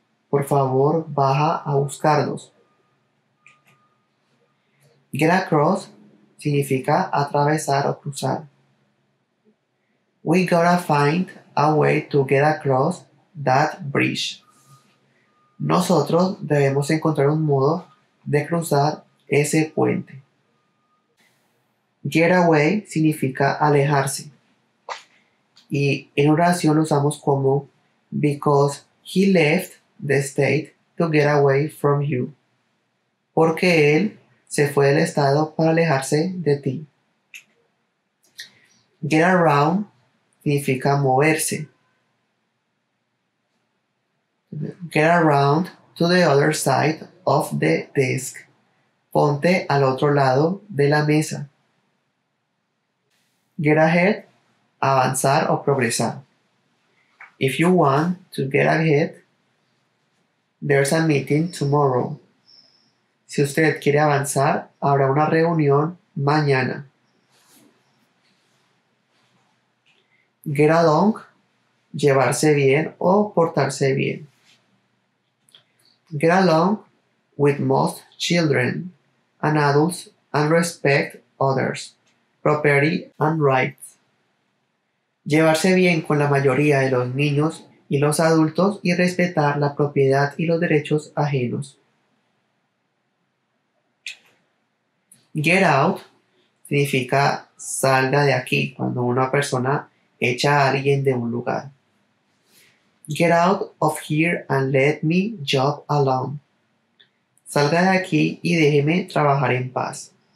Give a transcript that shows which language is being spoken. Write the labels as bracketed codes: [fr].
[es] Por favor, baja a buscarlos. Get across significa atravesar o cruzar. [en] We gotta find a way to get across that bridge. [es] Nosotros debemos encontrar un modo de cruzar ese puente. Get away significa alejarse. Y en oración lo usamos como [en] because he left the state to get away from you. [es] Porque él se fue del estado para alejarse de ti. Get around significa moverse. [en] Get around to the other side of the desk. [es] Ponte al otro lado de la mesa. [en] Get ahead, [es] avanzar o progresar. [en] If you want to get ahead, there's a meeting tomorrow. [es] Si usted quiere avanzar, habrá una reunión mañana. Get along, llevarse bien o portarse bien. [en] Get along with most children and adults and respect others. Property and rights. [es] Llevarse bien con la mayoría de los niños y los adultos y respetar la propiedad y los derechos ajenos. Get out significa salga de aquí, cuando una persona echa a alguien de un lugar. [en] Get out of here and let me job alone. [es] Salga de aquí y déjeme trabajar en paz.